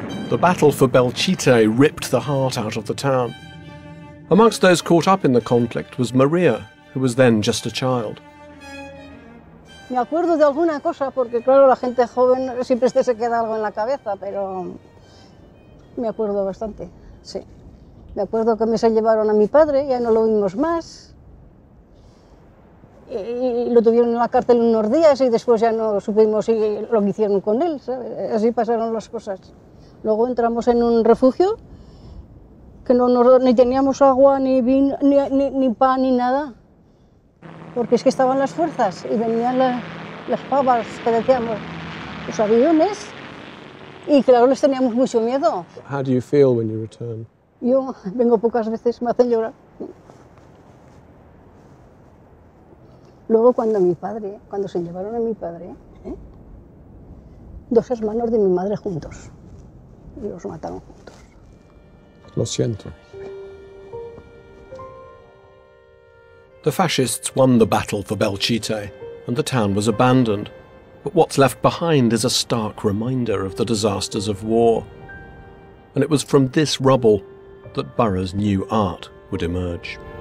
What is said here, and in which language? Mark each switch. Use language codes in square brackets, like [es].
[en] The battle for Belchite ripped the heart out of the town. Amongst those caught up in the conflict was Maria, who was then just a child. [es] Me acuerdo de alguna cosa porque claro la gente joven siempre se queda algo en la cabeza, pero me acuerdo bastante. Sí. Me acuerdo que me se llevaron a mi padre, ya no lo vimos más. Y lo tuvieron en la cárcel unos días y después ya no supimos lo que hicieron con él, ¿sabes? Así pasaron las cosas. Luego entramos en un refugio que no nos ni teníamos agua ni vino ni pan ni nada porque es que estaban las fuerzas y venían las pavas que decíamos los aviones y claro les teníamos mucho miedo. [en] How do you feel when you return? [es] Yo vengo pocas veces, me hacen llorar. Luego cuando mi padre, cuando se llevaron a mi padre, dos hermanos de mi madre juntos, y los mataron juntos. Lo siento. [en] The fascists won the battle for Belchite, and the town was abandoned. But what's left behind is a stark reminder of the disasters of war. And it was from this rubble that Burra's new art would emerge.